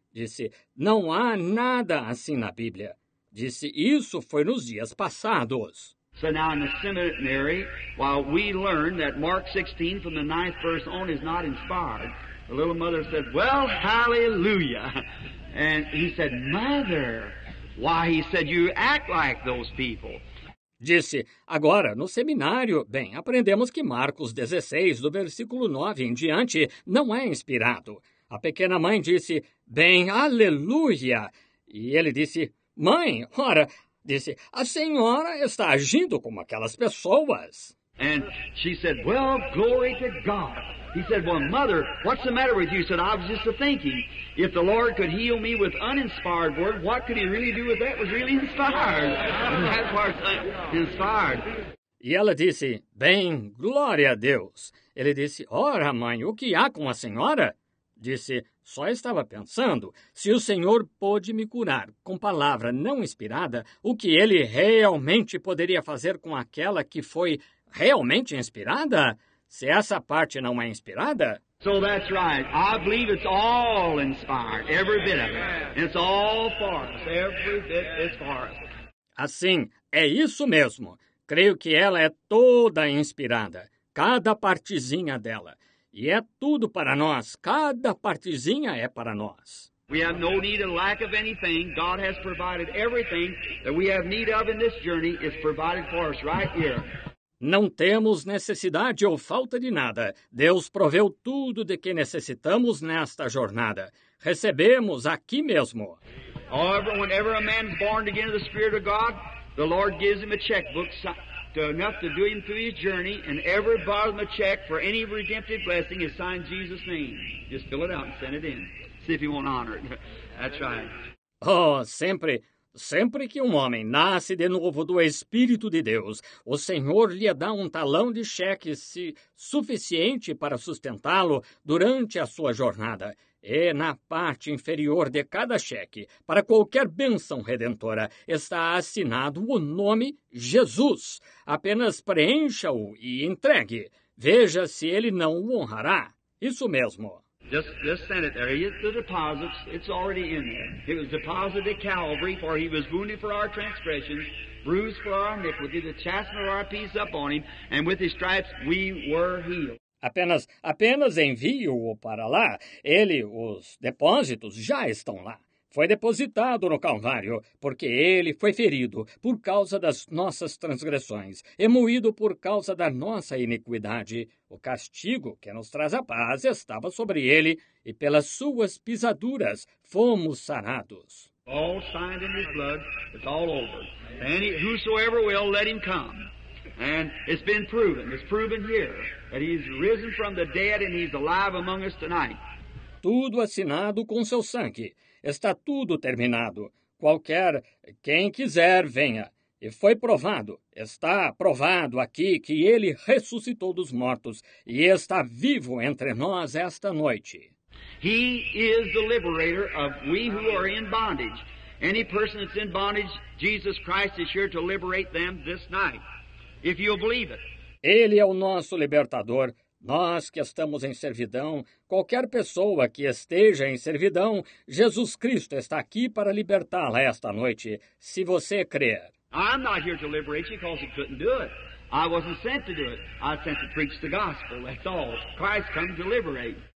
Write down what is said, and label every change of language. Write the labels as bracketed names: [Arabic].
[Portuguese] Disse, não há nada assim na Bíblia. Disse, isso foi nos dias passados. [English] So now in the seminary, while we learn that Mark 16 from the 9th verse on is not inspired, the little mother said, well, hallelujah. And he said, mother, why, he said, you act like those people. [Portuguese] Disse, agora, no seminário, bem, aprendemos que Marcos 16, do versículo 9 em diante, não é inspirado. A pequena mãe disse, bem, aleluia. E ele disse, mãe, ora, disse, a senhora está agindo como aquelas pessoas. [English] And she said, well, glory to God. He said, well, mother, what's the matter with you? He said, I was just thinking, if the Lord could heal me with uninspired word, what could he really do with that was really inspired? And that part's inspired. [Portuguese] E ela disse, bem, glória a Deus. Ele disse, ora, mãe, o que há com a senhora? Disse, só estava pensando, se o Senhor pôde me curar com palavra não inspirada, o que ele realmente poderia fazer com aquela que foi realmente inspirada? Se essa parte não é inspirada? [English] So that's right. I believe it's all inspired, every bit of it. It's all for us. Every bit is for us. [Portuguese] Assim, é isso mesmo. Creio que ela é toda inspirada, cada partezinha dela. E é tudo para nós. Cada partezinha é para nós. [English] We have no need and lack of anything. God has provided everything that we have need of in this journey is provided for us right here. [Portuguese] Não temos necessidade ou falta de nada. Deus proveu tudo de que necessitamos nesta jornada. Recebemos aqui mesmo. [English] However, whenever a man is born again of the Spirit of God, the Lord gives him a checkbook enough to do him through his journey, and every bottom of check for any redemptive blessing is signed Jesus' name. Just fill it out and send it in. See if he won't honor it. That's right. [Portuguese] Oh, sempre. Sempre que um homem nasce de novo do Espírito de Deus, o Senhor lhe dá um talão de cheque suficiente para sustentá-lo durante a sua jornada. E na parte inferior de cada cheque, para qualquer bênção redentora, está assinado o nome Jesus. Apenas preencha-o e entregue. Veja se ele não o honrará. Isso mesmo. [English] Just send it there. He, the deposits, it's already in there. It was deposited at Calvary, for he was wounded for our transgressions, bruised for our iniquity, the chastisement of our peace upon him, and with his stripes we were healed. [Portuguese] Apenas envie-o para lá. Ele, os depósitos, já estão lá. Foi depositado no Calvário, porque ele foi ferido por causa das nossas transgressões e moído por causa da nossa iniquidade. O castigo que nos traz a paz estava sobre ele, e pelas suas pisaduras fomos sarados. [English] All signed in his blood, it's all over. And whosoever will, let him come. And it's proven here that he's risen from the dead and he's alive among us tonight. [Portuguese] Tudo assinado com seu sangue. Está tudo terminado. Qualquer quem quiser, venha. E foi provado. Está provado aqui que ele ressuscitou dos mortos e está vivo entre nós esta noite. [English] He is the liberator of we who are in bondage. Any person that's in bondage, Jesus Christ is here to liberate them this night. If you believe it. [Portuguese] Ele é o nosso libertador. Nós que estamos em servidão, qualquer pessoa que esteja em servidão, Jesus Cristo está aqui para libertá-la esta noite, se você crer. [English] I'm not here to liberate you because he couldn't do it. I wasn't sent to do it. I was sent to preach the gospel. That's all. Christ came to liberate.